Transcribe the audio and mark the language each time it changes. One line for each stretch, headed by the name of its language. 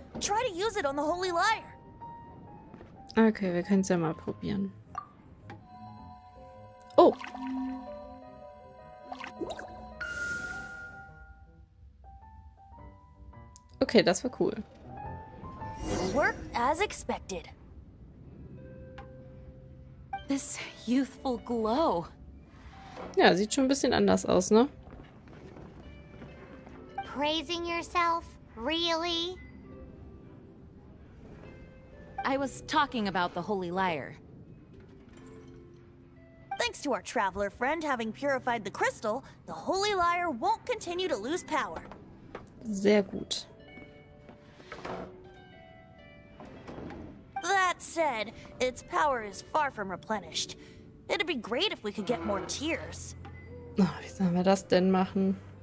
English: Try to use it on the holy liar.
German: Okay, wir können es ja mal probieren. Oh. Okay, das war cool.
English: Work as expected. This youthful glow.
German: Ja, sieht schon ein bisschen anders aus, ne?
English: Praising yourself? Really? I was talking about the Holy Lyre. Thanks to our traveler friend having purified the crystal, the Holy Lyre won't continue to lose power.
German: Sehr gut.
English: That said, its power is far from replenished. It'd be great if we could get more tears.
German: Ach, wie sollen wir das denn machen?